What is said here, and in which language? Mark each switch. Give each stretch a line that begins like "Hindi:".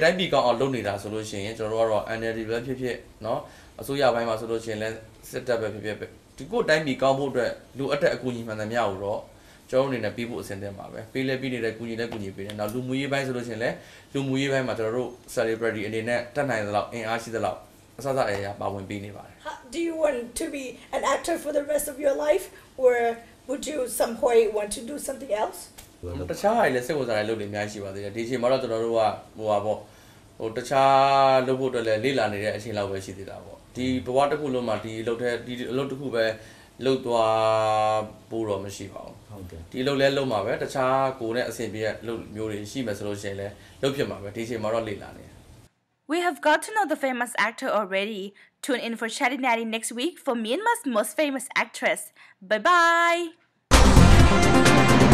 Burmese: တိုင်းပြည်ကောင်းအောင်လုပ်နေတာဆိုလို့ရှိရင်ကျွန်တော်တို့ကတော့ NLD ပဲဖြစ်ဖြစ်เนาะအစိုးရဘက်မှာဆိုလို့ရှိရင်လည်းစစ်တပ်ပဲဖြစ်ဖြစ်ဒီကိုတိုင်းပြည်ကောင်းဖို့အတွက်လူအတက်အကူအညီမှန်သမျှကိုတော့ကျွန်တော်အနေနဲ့ပြီးဖို့အစဉ်သင့်ပါပဲပေးလဲပြီးနေတဲ့ကူညီနဲ့ကူညီပေးတယ်နောက်လူမှုရေးပိုင်းဆိုလို့ရှိရင်လည်းလူမှုရေးပိုင်းမှာကျွန်တော်တို့ celebrity အနေနဲ့တက်နိုင်သလောက်အင်အားရှိသလောက်အစအစအရာပါဝင်ပေးနေပါတယ်
English: Do you want to be an actor for the rest of your life or would you some way want to do something else
Burmese: တခြားအရာလည်းစိတ်ဝင်စားတယ်လို့လည်းအများကြီးပါသေးတယ်ဒီချိန်မှာတော့ကျွန်တော်တို့ကဟိုပါပေါ့ဟိုတခြားလုပ်ဖို့အတွက်လည်းလေ့လာနေတဲ့အချိန်လောက်ပဲရှိသေးတာပေါ့ဒီဘဝတစ်ခုလုံးမှာဒီအလုပ်တစ်ခုပဲလုတ်သွားပို့တော့မရှိပါဘူးဟုတ်တ ယ်ဒီအလုပ်လည်းလုပ်မှာပဲတခြားကိုယ်နဲ့အဆင်ပြေတဲ့အလုပ်မျိုးတွေရှိမှဆိုလို့ရှိရင်လည်းလုပ်ဖြစ်မှာပဲဒီချိန်မှာတော့လေ့လာနေ
English: We have got to know the famous actor already. Tune in for Chatty Natty next week for Myanmar's most famous actress. Bye-bye!